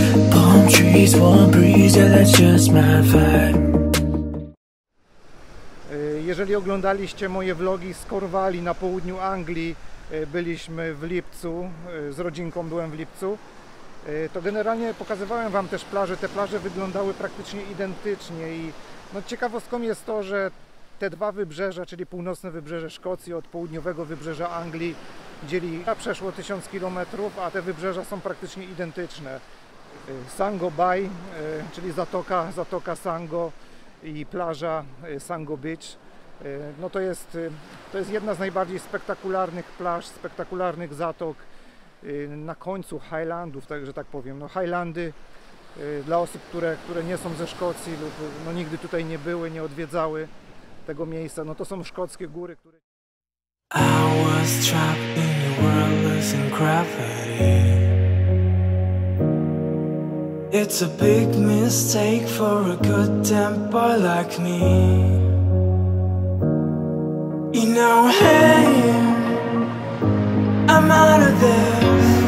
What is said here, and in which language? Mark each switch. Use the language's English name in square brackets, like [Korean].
[English] Palm trees, warm breeze, yeah, that's just my vibe. [Polish] Jeżeli oglądaliście moje vlogi z Cornwalli na południu Anglii, byliśmy w lipcu, z rodzinką byłem w lipcu, to generalnie pokazywałem wam też plaże. Te plaże wyglądały praktycznie identycznie i no, ciekawostką jest to, że te dwa wybrzeża, czyli północne wybrzeże Szkocji od południowego wybrzeża Anglii, dzieli przeszło 1000 km, a te wybrzeża są praktycznie identyczne. Sango Bay, czyli zatoka Sango i plaża Sango Beach. No to jest jedna z najbardziej spektakularnych plaż, spektakularnych zatok na końcu Highlandów, także tak powiem. No Highlandy dla osób, które nie są ze Szkocji lub no nigdy tutaj nie były, nie odwiedzały tego miejsca, no to są szkockie góry, które... [English] I was trapped in a worldless in gravity. It's a big mistake for a good temper like me. You know, hey, I'm out of this.